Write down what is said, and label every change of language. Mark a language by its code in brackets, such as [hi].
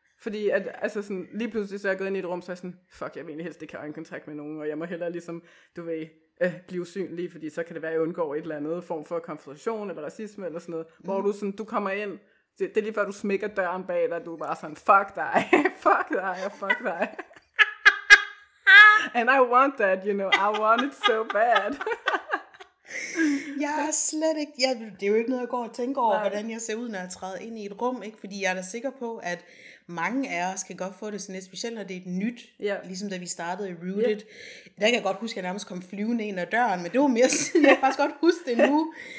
[da] Fordi at, altså sådan, lige pludselig, så er jeg gået ind i et rum, så er jeg sådan, fuck, jeg vil egentlig helst ikke have øjenkontakt med nogen, og jeg må hellere ligesom, du ved, blive usynlig, fordi så kan det være, at jeg undgår et eller andet form for konfrontation eller racisme eller sådan noget, hvor du sådan, du kommer ind, det er lige før, du smækker døren bag dig, og du er bare sådan, fuck dig. [en] And I want that, you know, I want it so bad. [da] Jeg er slet ikke, det er jo ikke noget, jeg går og tænker over, hvordan jeg ser ud, når jeg træder ind i et rum, ikke? Fordi jeg er da sikker på, at mange af os kan godt få det sådan lidt, specielt når det er et nyt, ligesom da vi startede i Rooted. Yeah. Der kan jeg godt huske, at jeg nærmest kom flyvende ind ad døren, men det var mere sådan, jeg faktisk godt huske det nu.